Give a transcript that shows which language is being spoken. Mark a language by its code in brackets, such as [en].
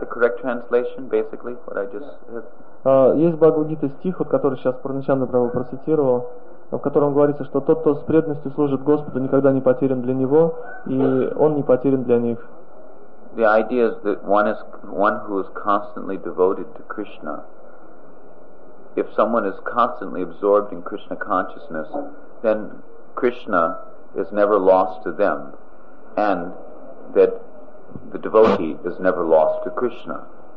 [en] The correct translation, basically, what I just said. [ru] Есть Бхагавад-гита стих, вот, который сейчас Пурначандра Прабху процитировал, в котором говорится, что тот, кто с преданностью служит Господу, никогда не потерян для него, и он не потерян для них. [en] The idea is that one who is constantly devoted to Krishna, if someone is constantly absorbed in Krishna consciousness, then Krishna is never lost to them, and that the devotee is never lost to Krishna.